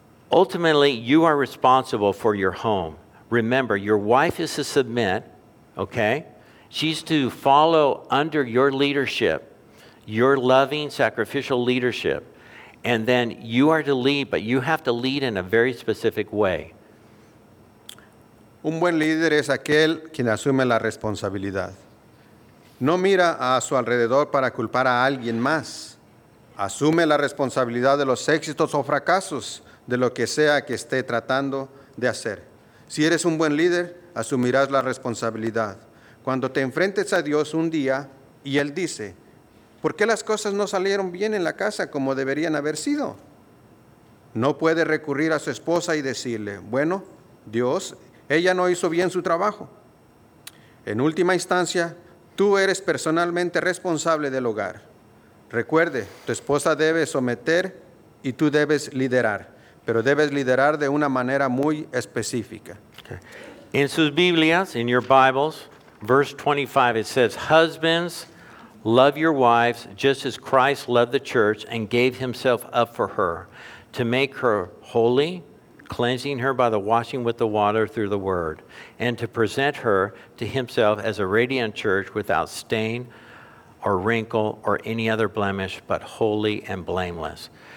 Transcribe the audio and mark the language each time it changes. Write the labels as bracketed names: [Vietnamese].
[English] Ultimately, you are responsible for your home. Remember, your wife is to submit, okay? She's to follow under your leadership, your loving, sacrificial leadership. And then you are to lead, but you have to lead in a very specific way. [Spanish] Un buen líder es aquel quien asume la responsabilidad. No mira a su alrededor para culpar a alguien más. Asume la responsabilidad de los éxitos o fracasos de lo que sea que esté tratando de hacer. Si eres un buen líder, asumirás la responsabilidad. Cuando te enfrentes a Dios un día y Él dice, ¿por qué las cosas no salieron bien en la casa como deberían haber sido? No puede recurrir a su esposa y decirle, bueno, Dios, ella no hizo bien su trabajo. En última instancia, tú eres personalmente responsable del hogar. Recuerde, tu esposa debe someter y tú debes liderar, pero debes liderar de una manera muy específica. En sus Biblias, [English] in your Bibles, verse 25, it says, husbands, love your wives just as Christ loved the church and gave himself up for her to make her holy, cleansing her by the washing with the water through the word, and to present her to himself as a radiant church without stain or wrinkle or any other blemish, but holy and blameless.